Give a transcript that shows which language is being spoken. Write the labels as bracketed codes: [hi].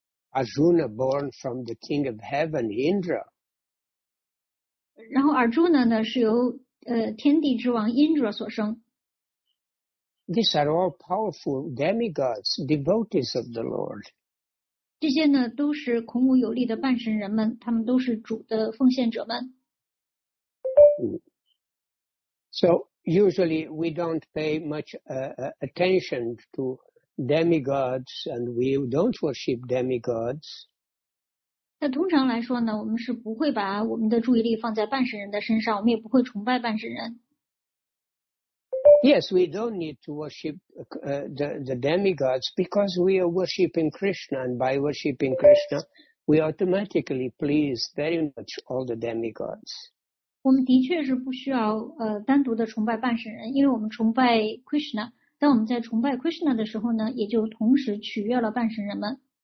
[en] Arjuna born from the king of heaven, Indra. [zh] 然后 Arjuna 呢是由天地之王 Indra 所生。 [en] These are all powerful demigods, devotees of the Lord. [zh] 这些呢都是孔武有力的半神人们，他们都是主的奉献者们。 [en] So usually we don't pay much attention to demigods and we don't worship demigods. [zh] 那通常来说呢，我们是不会把我们的注意力放在半神人的身上，我们也不会崇拜半神人。 [en] Yes, we don't need to worship the demigods because we are worshiping Krishna, and by worshiping Krishna, we automatically please very much all the demigods. [zh] 我们的确是不需要, 单独的崇拜半神人, 因为我们崇拜 Krishna, 当我们在崇拜 Krishna 的时候呢, 也就同时取悦了半神人们。